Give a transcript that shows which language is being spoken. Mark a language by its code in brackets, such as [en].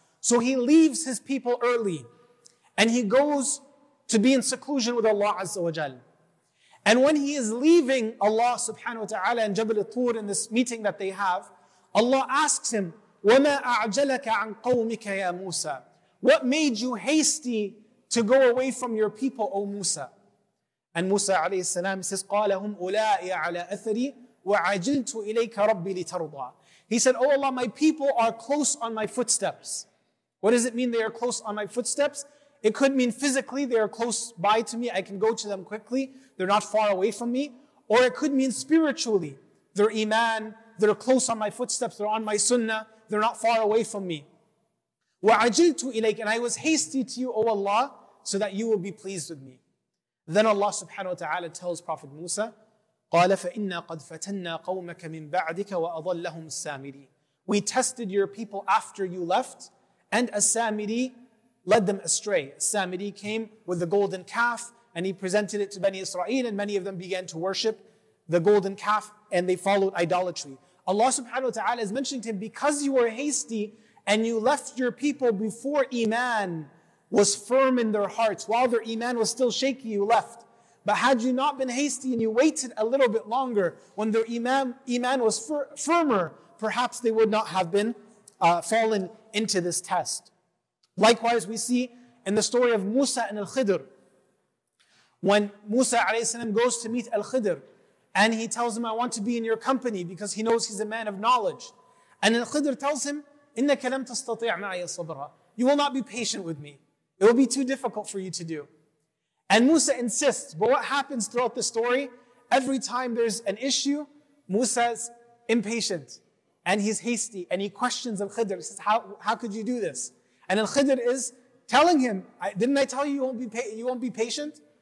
[en] So he leaves his people early and he goes to be in seclusion with Allah Azza wa Jal. And when he is leaving Allah subhanahu wa ta'ala and Jabal al-Tur in this meeting that they have, Allah asks him, [ar] وَمَا أَعْجَلَكَ عَنْ قَوْمِكَ يَا مُوسَى. [en] What made you hasty to go away from your people, O Musa? And Musa alayhi salam says, [ar] قَالَ هُمْ أُولَاءِ عَلَىٰ أَثَرِي وَعَجِلْتُ إِلَيْكَ رَبِّي لِتَرْضَىٰ. [en] He said, oh Allah, my people are close on my footsteps. What does it mean they are close on my footsteps? It could mean physically they are close by to me. I can go to them quickly. They're not far away from me. Or it could mean spiritually. They're iman. They're close on my footsteps. They're on my sunnah. They're not far away from me. [ar] وَعَجِلْتُ إِلَيْكَ. [en] And I was hasty to you, O Allah, so that you will be pleased with me. Then Allah subhanahu wa ta'ala tells Prophet Musa, [ar] قَالَ فَإِنَّا قَدْ فَتَنَّا قَوْمَكَ مِنْ بَعْدِكَ وَأَضَلَّهُمْ السَّامِرِي. [en] We tested your people after you left, and As-Samiri led them astray. As-Samiri came with the golden calf, and he presented it to Bani Israel, and many of them began to worship the golden calf, and they followed idolatry. Allah subhanahu wa ta'ala is mentioning to him, because you were hasty, and you left your people before iman was firm in their hearts, while their iman was still shaky, you left. But had you not been hasty and you waited a little bit longer, when their iman was firmer, perhaps they would not have been fallen into this test. Likewise, we see in the story of Musa and Al-Khidr, when Musa alayhi salam goes to meet Al-Khidr, and he tells him, I want to be in your company, because he knows he's a man of knowledge. And Al-Khidr tells him, [ar] إِنَّكَ لَمْ تَسْتَطِعْ مَعِيَ صَبْرًا. [en] You will not be patient with me. It will be too difficult for you to do. And Musa insists, but what happens throughout the story, every time there's an issue, Musa's impatient, and he's hasty, and he questions Al-Khidr. He says, how could you do this? And Al-Khidr is telling him, didn't I tell you you won't be patient?